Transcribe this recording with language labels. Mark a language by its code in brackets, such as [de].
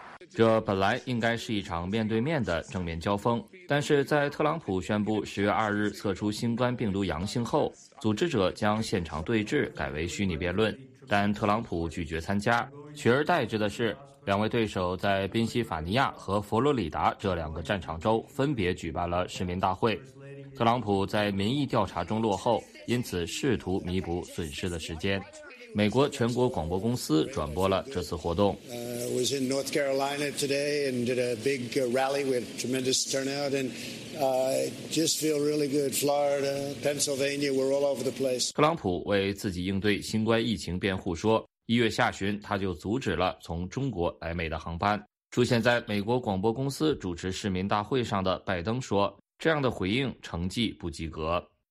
[zh] 这本来应该是一场面对面的正面交锋，但是在特朗普宣布10月2日测出新冠病毒阳性后，组织者将现场对峙改为虚拟辩论，但特朗普拒绝参加，取而代之的是两位对手在宾夕法尼亚和佛罗里达这两个战场州分别举办了市民大会。特朗普在民意调查中落后，因此试图弥补损失的时间。美国全国广播公司转播了这次活动。 [en] Was in North Carolina today and did a big rally with tremendous turnout and just feel really good. Florida, Pennsylvania, we're all over the place. [zh] 特朗普为自己应对新冠疫情辩护说，1月下旬他就阻止了从中国来美的航班。出现在美国广播公司主持市民大会上的拜登说，这样的回应成绩不及格。